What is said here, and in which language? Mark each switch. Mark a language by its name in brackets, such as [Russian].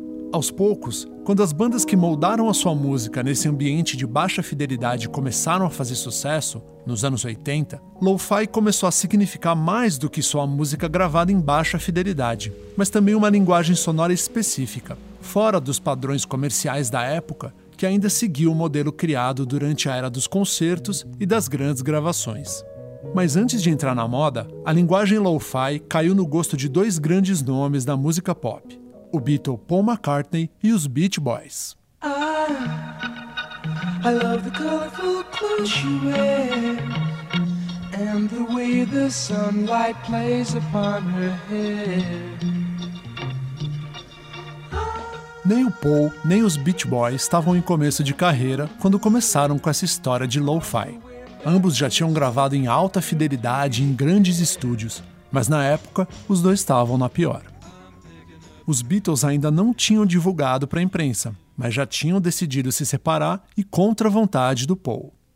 [Portuguese] Aos poucos, quando as bandas que moldaram a sua música nesse ambiente de baixa fidelidade começaram a fazer sucesso, nos anos 80, lo-fi começou a significar mais do que só a música gravada em baixa fidelidade, mas também uma linguagem sonora específica, fora dos padrões comerciais da época, que ainda seguiu o modelo criado durante a era dos concertos e das grandes gravações. Mas antes de entrar na moda, a linguagem lo-fi caiu no gosto de dois grandes nomes da música pop, o Beatle Paul McCartney e os Beach Boys. [English] I love the colorful clothes she wears and the way the sunlight plays upon her hair. [Portuguese] Nem o Paul, nem os Beach Boys estavam em começo de carreira quando começaram com essa história de lo-fi. Ambos já tinham gravado em alta fidelidade em grandes estúdios, mas na época, os dois estavam na pior. Os Beatles ainda não tinham divulgado para a imprensa, mas já tinham decidido se separar e contra a vontade do Paul.